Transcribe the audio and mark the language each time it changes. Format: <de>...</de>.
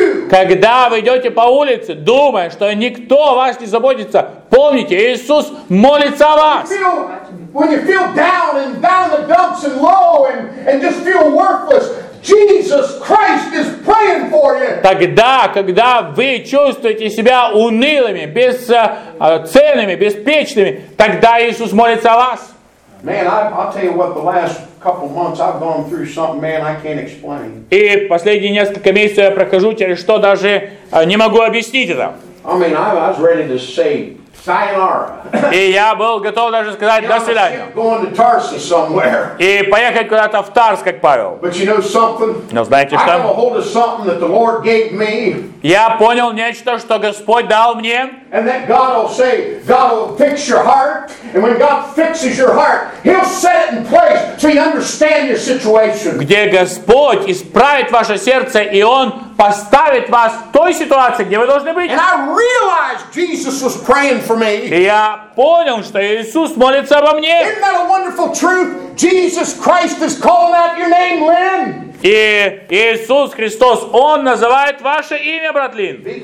<ru>Когда вы идете по улице, думая, что никто о вас не заботится, помните, Иисус молится о вас.</ru> <en>When you feel down and down the dumps and low and just feel worthless, Jesus Christ is praying for you.</en> <ru>Тогда, когда вы чувствуете себя унылыми, бесценными, беспечными, тогда Иисус молится о вас.</ru> <en>Man, I'll tell you what, the last couple months I've gone through something, man, I can't explain.</en> <ru>И последние несколько месяцев я прохожу через что даже не могу объяснить это.</ru> <en>I mean, I was ready to say sayonara.</en> <ru>И я был готов даже сказать до свидания.</ru> <en>Going to Tarsus somewhere.</en> <ru>И поехать куда-то в Тарс, как Павел.</ru> <en>But you know something?</en> <ru>Но знаете что?</ru> <en>I got a hold of something that the Lord gave me.</en> <ru>Я понял нечто, что Господь дал мне.</ru> <en>And that God will say, God will fix your heart. And when God fixes your heart, He'll set it in place so you understand your situation.</en> <ru>Где Господь исправит ваше сердце, и Он поставит вас в той ситуации, где вы должны быть.</ru> <en>And I realized Jesus was praying for me.</en> <ru>И я понял, что Иисус молится обо мне.</ru> <en>Isn't that a wonderful truth? Jesus Christ is calling out your name, Lynn.</en> <ru>И Иисус Христос, Он называет ваше имя, брат Лин.</ru>